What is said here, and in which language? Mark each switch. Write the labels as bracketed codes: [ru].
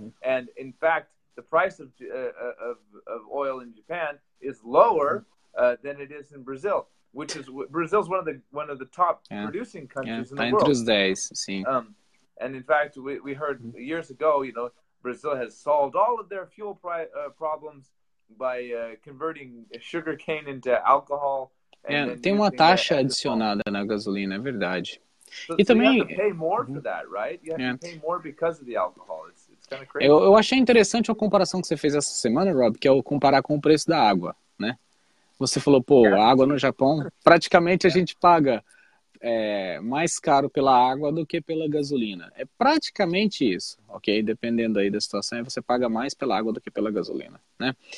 [en] And in fact, the price of oil in Japan is lower than it is in Brazil, which is Brazil's one of the top producing countries in the world. [pt] Entre os 10, sim. [en] And in fact, we heard years ago, you know, Brazil has solved all of their fuel problems by converting sugarcane into alcohol. [pt] Tem uma taxa adicionada na gasolina, é verdade. [en] So [pt] também, [en] you have to pay more for that, right? You have to pay more because of the alcohol. It's kind of crazy. [pt] Eu achei interessante a comparação que você fez essa semana, Rob, que é o comparar com o preço da água, né? Você falou, pô, a água no Japão, praticamente a gente paga mais caro pela água do que pela gasolina. É praticamente isso, ok? Dependendo aí da situação, você paga mais pela água do que pela gasolina, né?